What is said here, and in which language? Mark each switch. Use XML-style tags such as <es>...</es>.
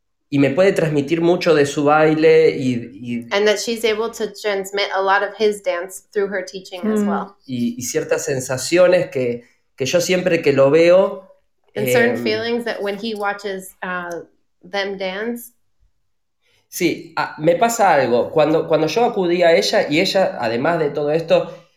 <es>Y me puede transmitir mucho de su baile.</es> <en>And that she's able to transmit a lot of his dance through her teaching as well.</en> <es>Y ciertas sensaciones que yo siempre que lo veo...</es> <en>And certain feelings that when he watches them dance.</en> <es>Sí, me pasa algo. Cuando yo acudí a ella, y ella, además de todo esto...</es>